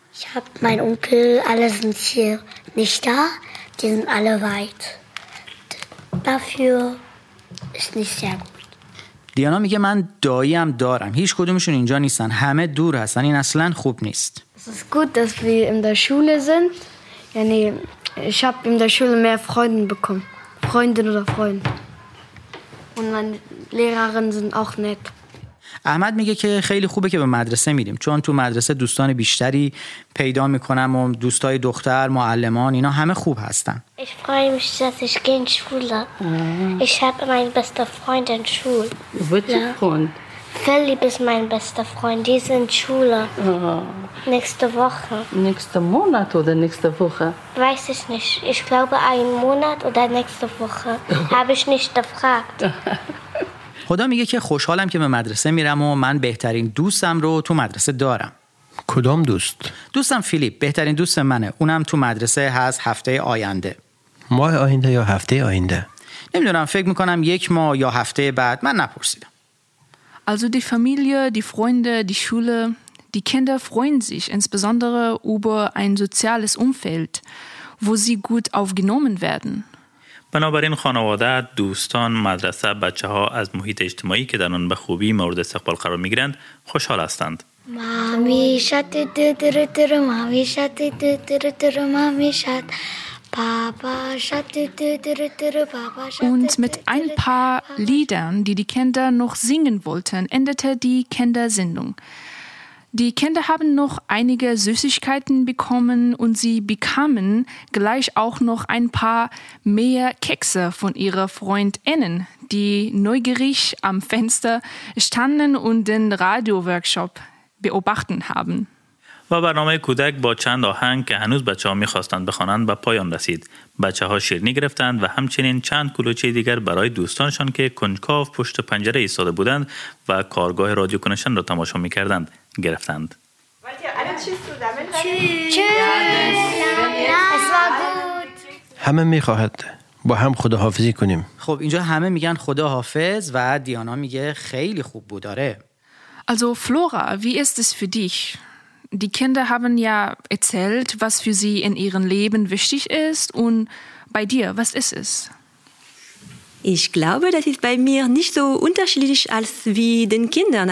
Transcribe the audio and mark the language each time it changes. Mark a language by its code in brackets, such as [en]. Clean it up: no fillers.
[de] Ich hab mein Onkel, alle sind hier nicht da, die sind alle weit. Dafür ist nicht sehr gut. [fa] دیانا میگه من دایی هم دارم، هیچ کدومشون اینجا نیستن، همه دور هستن، این اصلا خوب نیست. [de] Es ist gut, dass wir in der Schule sind. Yani ich hab in der Schule mehr Freunde bekommen. Freundin oder Freund. Und meine Lehrerinnen sind auch nett. [fa] احمد میگه که خیلی خوبه که به مدرسه میریم، چون تو مدرسه دوستان بیشتری پیدا میکنم و دوستای دختر، معلمان، اینا همه خوب هستن. [de] Ich freue mich, dass ich gehe in Schule. Ich habe meinen besten Freund in Schule. Welchen Freund? Philipp ist mein bester Freund, die ist in Schule. Nächste Woche. Nächste Monat oder nächste Woche? Weiß ich nicht. Ich glaube einen Monat oder nächste Woche. Habe ich nicht gefragt. [fa] خدا میگه که خوشحالم که به مدرسه میرم و من بهترین دوستم رو تو مدرسه دارم. کدام دوست؟ دوستم فیلیپ، بهترین دوست منه. اونم تو مدرسه هست هفته آینده. ماه آینده یا هفته آینده؟ نمیدونم، فکر میکنم یک ماه یا هفته بعد، من نپرسیدم. [de] Also die Familie, die Freunde, die Schule, die Kinder freuen sich insbesondere über ein soziales Umfeld, wo sie gut aufgenommen werden. [fa] بنابراین خانواده، دوستان، مدرسه، بچه ها از محیط اجتماعی که در آن به خوبی مورد استقبال قرار می گیرند خوشحال هستند. مامی شد تتر تتر، مامی شد تتر تتر، مامی شد پاپا شد تتر تتر، پاپا شد. [de] Und mit ein paar Liedern, die die Kinder noch singen wollten, endete die Kindersendung. Die Kinder haben noch einige Süßigkeiten bekommen und sie bekamen gleich auch noch ein paar mehr Kekse von ihrer FreundInnen, die neugierig am Fenster standen und den Radio-Workshop beobachten haben. [fa] و برنامه کودک با چند آهنگ که هنوز بچه ها میخواستند بخوانند به پایان رسید. بچه ها شیرینی گرفتند و همچنین چند کلوچه دیگر برای دوستانشان که کنجکاو پشت پنجره ایستاده بودند و کارگاه رادیو کنشن را تماشا میکردند گرفتند. همه میخواهد با هم خداحافظی کنیم. خب اینجا همه میگن خداحافظ و دیانا میگه خیلی خوب بود. آره. [de] Also Flora, wie ist es für dich? Die Kinder haben ja erzählt, was für sie in ihrem Leben wichtig ist. Und bei dir, was ist es? Ich glaube, das ist bei mir nicht so unterschiedlich als wie den Kindern.